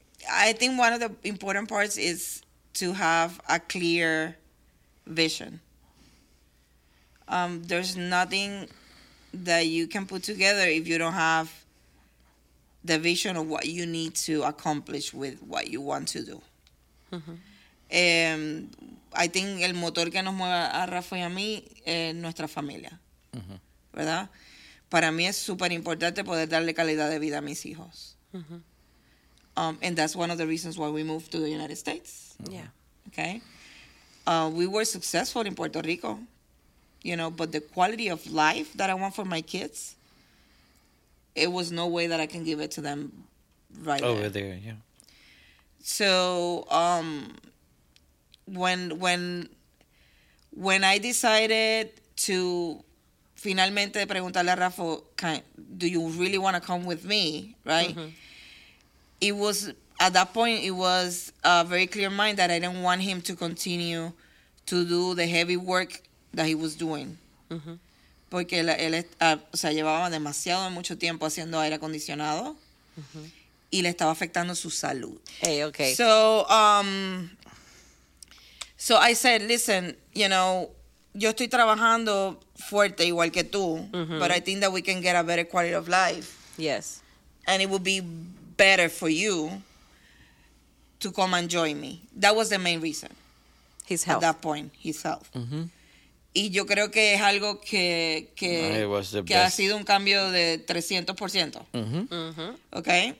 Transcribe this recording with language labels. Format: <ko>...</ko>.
<en>I think one of the important parts is to have a clear vision. There's nothing that you can put together if you don't have the vision of what you need to accomplish with what you want to do. I think</en> <es>el motor que nos mueve a Rafa y a mí es nuestra familia. ¿Verdad? Para mí es súper importante poder darle calidad de vida a mis hijos.</es> <en>And that's one of the reasons why we moved to the United States. Okay. We were successful in Puerto Rico, you know, but the quality of life that I want for my kids, it was no way that I can give it to them right over there. So when I decided to</en> <es>finalmente preguntarle</es> <en>a Rafa, do you really want to come with me, right? It was, at that point, it was a very clear mind that I didn't want him to continue to do the heavy work that he was doing.</en> <es>Porque él llevaba demasiado mucho tiempo haciendo aire acondicionado y le estaba afectando su salud.</es> <en>Hey, okay. So, so I said, listen, you know,</en> <es>yo estoy trabajando fuerte igual que tú,</es> <en>but I think that we can get a better quality of life. Yes. And it would be better for you to come and join me. That was the main reason. His health. At that point, his health.</en> <es>Y yo creo que es algo que ha sido un cambio de 300%. Okay?</es>